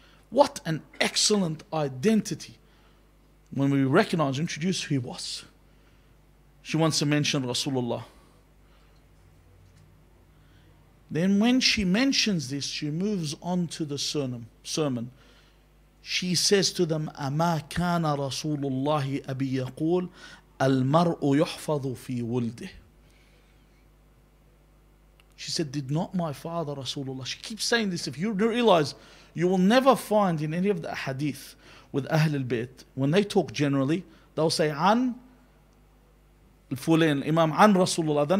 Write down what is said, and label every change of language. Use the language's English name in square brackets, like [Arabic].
[English] What an excellent identity when we recognize, introduce who he was. She wants to mention Rasulullah. Then when she mentions this, she moves on to the sermon. She says to them, [Arabic] أَمَا كَانَ رَسُولُ اللَّهِ أَبِي يَقُولُ الْمَرْءُ يُحْفَظُ فِي وُلْدِهِ. [English] She said, did not my father Rasulullah, she keeps saying this, if you realize, you will never find in any of the hadith with Ahlul Bayt, when they talk generally, they'll say, [Arabic] عَنْ الْفُلَيْنِ [English] Imam, [Arabic] عَنْ رَسُولُ اللَّهِ.